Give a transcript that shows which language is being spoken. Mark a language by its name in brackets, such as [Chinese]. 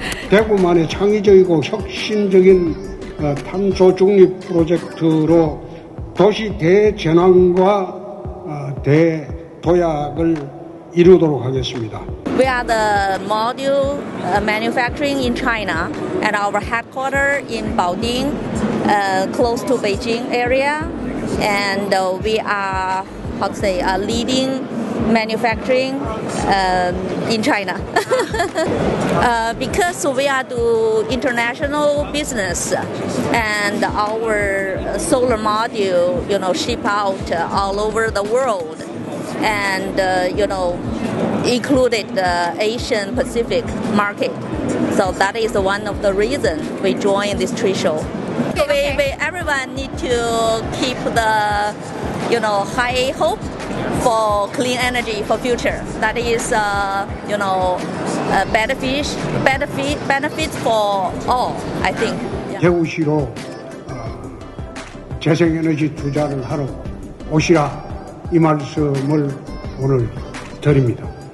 [Korean] 대구만의 창의적이고 혁신적인 탄소 중립 프로젝트로 도시 대전환과 대도약을 이루도록 하겠습니다. [English] We are the module manufacturing in China and our headquarters in Baoding, close to Beijing area. And we are, how to say, a leading manufacturing in China. because we are do international business and our solar module, you know, ship out all over the world. And, you know, included the Asian Pacific market. So that is one of the reasons we joined this trade show. Okay. We everyone need to keep the, you know, high hope for clean energy for future. That is, you know, benefit for all, I think. Yeah. [Korean] 대구시로 재생에너지 투자를 하러 오시라 이 말씀을 오늘 드립니다.